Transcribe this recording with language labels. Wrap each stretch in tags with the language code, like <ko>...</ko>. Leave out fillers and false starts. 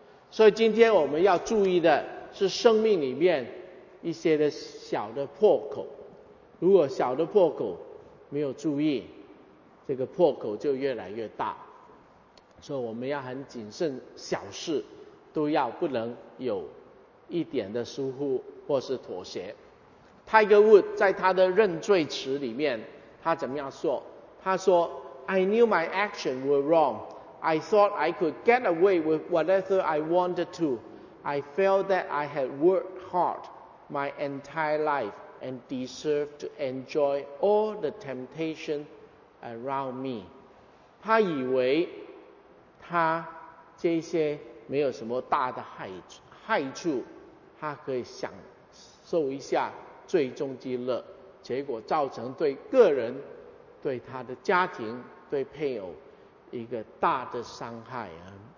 <zh>所以今天我们要注意的是生命里面一些的小的破口，如果小的破口没有注意，这个破口就越来越大。所以我们要很谨慎，小事都要不能有一点的疏忽或是妥协。</zh> <en>Tiger Wood</en> <zh>在他的认罪词里面他怎么样说，他说</zh> <en>I knew my action were wrong, I thought I could get away with whatever I wanted to, I felt that I had worked hard my entire life and deserved to enjoy all the temptation around me.</en> <zh>他以为他这些没有什么大的害处，他可以享受一下最终之乐，结果造成对个人、对他的家庭、对配偶一个大的伤害啊。</zh>